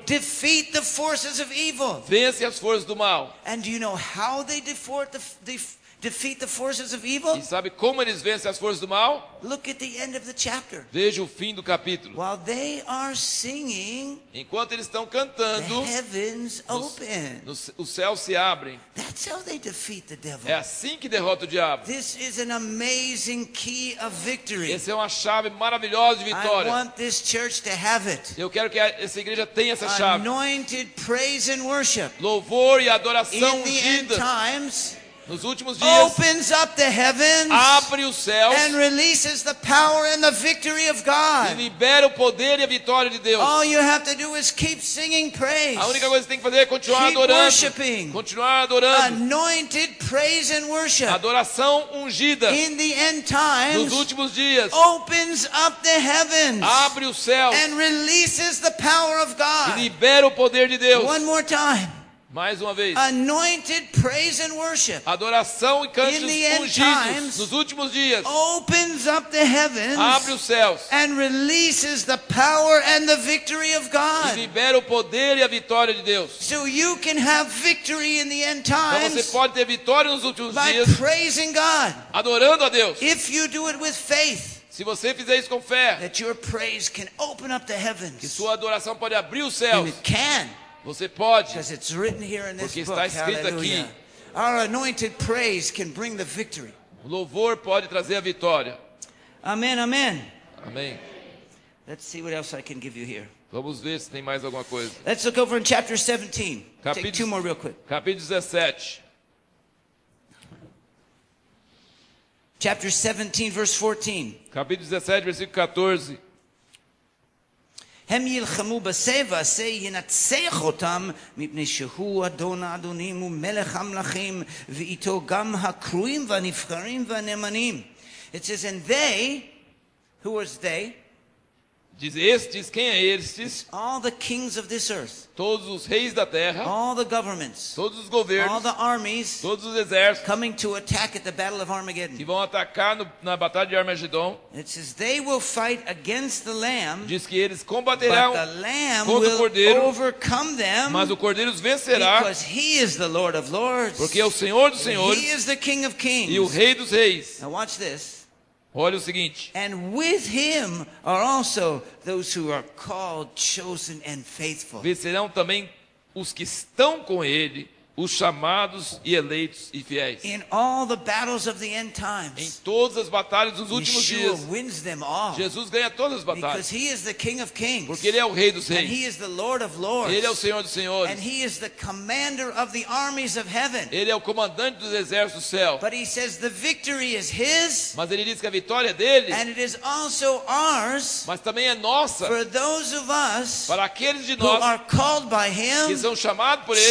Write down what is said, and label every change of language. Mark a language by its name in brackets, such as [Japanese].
[English] Defeat the forces of evil. [Portuguese] Vence as forças do mal. [English] And do you know how they defeat the forces of evil? [Portuguese] E sabe como eles vencem as forças do mal? [English] Look at the end of the chapter. [Portuguese] Veja o fim do capítulo. [English] While they are singing, [Portuguese] enquanto eles estão cantando, [English] the heavens open. [Portuguese] Os céus se abrem. [English] That's how they defeat the devil. [Portuguese] É assim que derrota o diabo. [English] This is an amazing key of victory. [Portuguese] Essa é uma chave maravilhosa de vitória. [English] I want this church to have it. [Portuguese] Eu quero que essa igreja tenha essa chave. [English] Anointed praise and worship. [Portuguese] Louvor e adoração [English] in the end times. [Portuguese] Nos últimos dias, [English] opens up the heavens, [Portuguese] abre os céus, [English] and releases the power and the victory of God. [Portuguese] E libera o poder e a vitória de Deus. [English] All you have to do is keep singing praise. [Portuguese] A única coisa que você tem que fazer é continuar [English] keep [Portuguese] adorando. [English] Worshiping. [Portuguese] Continuar adorando. [English] Anointed praise and worship. [Portuguese] Adoração ungida. [English] In the end times, [Portuguese] nos últimos dias, [English] opens up the heavens, [Portuguese] abre os céus, [English] and releases the power of God. [Portuguese] E libera o poder de Deus. [English] One more time. [Portuguese] Mais uma vez. [English] Anointed praise and worship. [Portuguese] Adoração e cânticos ungidos nos últimos dias. [English] Opens up the heavens. [Portuguese] Abre os céus. [English] And releases the power and the victory of God. [Portuguese] E libera o poder e a vitória de Deus. [English] So you can have victory in the end times. [Portuguese] Então você pode ter vitória nos últimos [English] by [Portuguese] dias. [English] By praising God. [Portuguese] Adorando a Deus. [English] If you do it with faith. [Portuguese] Se você fizer isso com fé. [English] That your praise can open up the heavens. [Portuguese] Que sua adoração pode abrir os céus. [English] And it can. [Portuguese] Você pode, [English] because it's written here in this [Portuguese] porque [English] book, [Portuguese] está escrito aqui. [English] Our anointed praise can bring the victory. [Portuguese] O louvor pode trazer a vitória. [English] Amen, amen. [Portuguese] Amém. [English] Let's see what else I can give you here. [Portuguese] Vamos ver se tem mais alguma coisa. [English] Let's look over in chapter 17. [Portuguese] Capítulo, [English] take two more real quick. [Portuguese] Capítulo 17. [English] Chapter 17, verse 14. [Portuguese] Capítulo 17, versículo 14. [Hebrew] הם ילחמו בסבע, סי ינצח אותם, מפני שהוא אדון האדונים ומלך המלכים, ואיתו גם הקרויים והנבחרים והנאמנים. [English] It says, and they, who was they? [Portuguese] Diz estes, quem é estes? [English] All the kings of this earth. [Portuguese] Todos os reis da terra. [English] All the governments. [Portuguese] Todos os governos. [English] All the armies. [Portuguese] Todos os exércitos. [English] Coming to attack at the battle of Armageddon. [Portuguese] Que vão atacar no, na batalha de Armagedom. [English] It says they will fight against the lamb. [Portuguese] Diz que eles combaterão contra o cordeiro. [English] But the lamb will overcome them. [Portuguese] Mas o cordeiro os vencerá. [English] Because he is the Lord of lords. [Portuguese] Porque é o Senhor dos senhores. [English] He is the King of kings. [Portuguese] E o rei dos reis. [English] Now watch this. [Portuguese] Olha o seguinte. [English] And with him are also those who are called, chosen and faithful. [Portuguese] Vencerão também os que estão com ele, os chamados e eleitos e fiéis. [English] In all the battles of the end times. [Portuguese] Em todas as batalhas dos últimos dias. [English] Yeshua wins them all. [Portuguese] Jesus ganha todas as batalhas. [English] Because he is the King of kings. [Portuguese] Porque ele é o rei dos reis. [English] And he is the Lord of lords. [Portuguese] Ele é o Senhor dos senhores. [English] And he is the commander of the armies of heaven. [Portuguese] Ele é o comandante dos exércitos do céu. [English] But he says the victory is his. [Portuguese] Mas ele diz que a vitória é dele. [English] And it is also ours. [Portuguese] Mas também é nossa. [English] For those of us. [Portuguese] Para aqueles de nós. [English] Who are called by him. [Portuguese] Que são chamados por ele.